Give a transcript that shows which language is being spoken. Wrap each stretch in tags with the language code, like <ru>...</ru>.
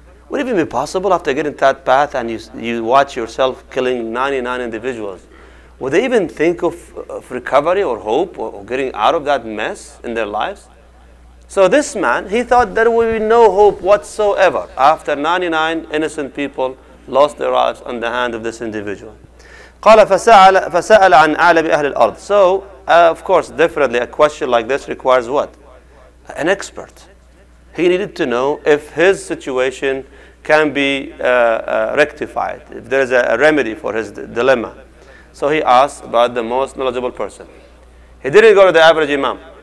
<en>Would it even be possible after getting that path and you watch yourself killing 99 individuals? Would they even think of recovery or hope or getting out of that mess in their lives? So this man, he thought there would be no hope whatsoever after 99 innocent people lost their lives on the hand of this individual.</en> <ar>قال فسأل عن أعلم أهل الأرض.</ar> <en>So, of course, definitely a question like this requires what? An expert. He needed to know if his situation can be rectified, if there is a remedy for his dilemma. So he asked about the most knowledgeable person. He didn't go to the average imam.</en>